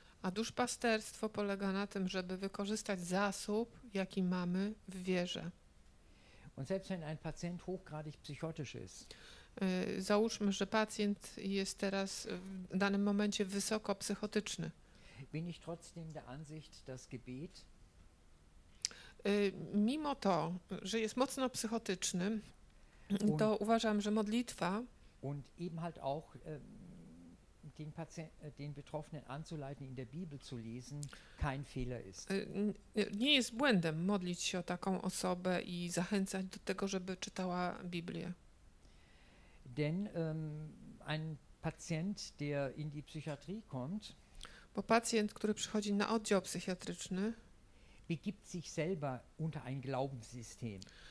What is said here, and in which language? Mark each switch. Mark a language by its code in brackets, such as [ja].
[pl] A duszpasterstwo polega na tym, żeby wykorzystać zasób, jaki mamy w wierze. [de] Und selbst wenn ein Patient hochgradig psychotisch ist. [pl] Załóżmy, że pacjent jest teraz w danym momencie wysoko psychotyczny. [de] Bin ich trotzdem der Ansicht, dass Gebet [pl] mimo to, że jest mocno psychotyczny, to uważam, że modlitwa [de] und eben halt auch den Patient, den Betroffenen anzuleiten, in der Bibel zu lesen, kein Fehler ist. [pl] Nie jest błędem modlić się o taką osobę i zachęcać do tego, żeby czytała Biblię. [de] Denn ein Patient, der in die Psychiatrie kommt, [pl] bo pacjent, który przychodzi na oddział psychiatryczny, [de] begibt sich selber unter ein Glaubenssystem.